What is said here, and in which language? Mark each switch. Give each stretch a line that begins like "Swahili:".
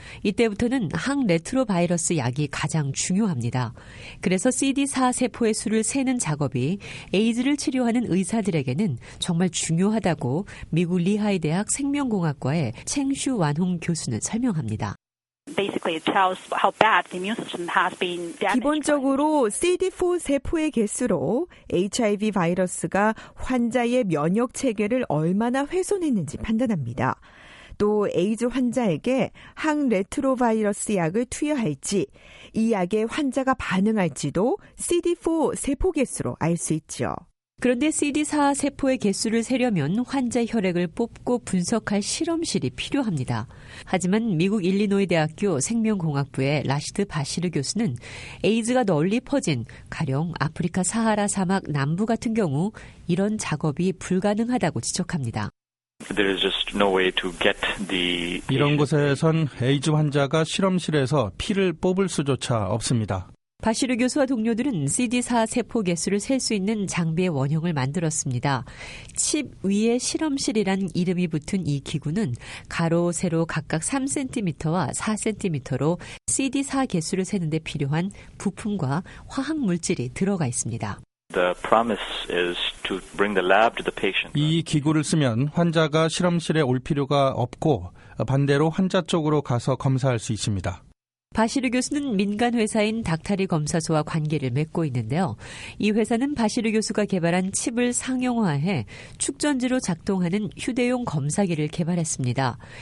Korean: 이때부터는 항레트로바이러스 약이 가장 중요합니다. 그래서 CD4 세포의 수를 세는 작업이 에이즈를 치료하는 의사들에게는 정말 중요하다고 미국 리하이대학 생명공학과의 챙슈 완홍 교수는 설명합니다.
English: Basically, it tells how bad the immune system has been damaged.
Korean: 기본적으로 CD4 세포의 개수로 HIV 바이러스가 환자의 면역 체계를 얼마나 훼손했는지 판단합니다. 또 에이즈 환자에게 항레트로바이러스 약을 투여할지, 이 약에 환자가 반응할지도 CD4 세포 개수로 알 수 있죠. 그런데 CD4 세포의 개수를 세려면 환자 혈액을 뽑고 분석할 실험실이 필요합니다. 하지만 미국 일리노이 대학교 생명공학부의 라시드 바시르 교수는 에이즈가 널리 퍼진 가령 아프리카 사하라 사막 남부 같은 경우 이런 작업이 불가능하다고 지적합니다.
English: There is just no way to get the
Korean: 이런 곳에선 에이즈 환자가 실험실에서 피를 뽑을 수조차 없습니다. 바시르 교수와 동료들은 CD4 세포 개수를 셀 수 있는 장비의 원형을 만들었습니다. 칩 위에 실험실이란 이름이 붙은 이 기구는 가로, 세로 각각 3cm와 4cm로 CD4 개수를 세는 데 필요한 부품과 화학물질이 들어가 있습니다.
English: The promise is to bring the lab to the patient.
Korean: 이 기구를 쓰면 환자가 실험실에 올 필요가 없고 반대로 환자 쪽으로 가서 검사할 수 있습니다. 바시르 교수는 민간 회사인 닥타리 검사소와 관계를 맺고 있는데요. 이 회사는 바시르 교수가 개발한 칩을 상용화해 축전지로 작동하는 휴대용 검사기를 개발했습니다.